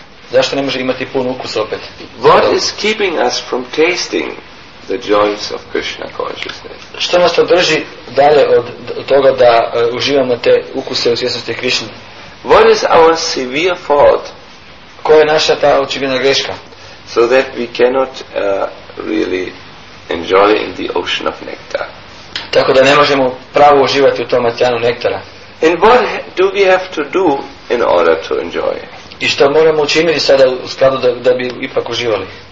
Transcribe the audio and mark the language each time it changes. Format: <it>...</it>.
<hr>Zašto ne može imati pun ukus opet?</hr> <en>What is keeping us from tasting the joys of Krishna consciousness?</en> <hr>Što nas to drži dalje od toga da uživamo te ukuse u svjesnosti Krishne?</hr> <en>What is our severe fault?</en> <hr>Koja je naša ta očigledna greška?</hr> <en>So that we cannot really enjoy in the ocean of nectar.</en> <hr>Tako da ne možemo pravo uživati u tom oceanu nektara.</hr> <en>And what do we have to do in order to enjoy?</en> <hr>I što moramo učiniti sada u skladu da bi ipak uživali?</hr>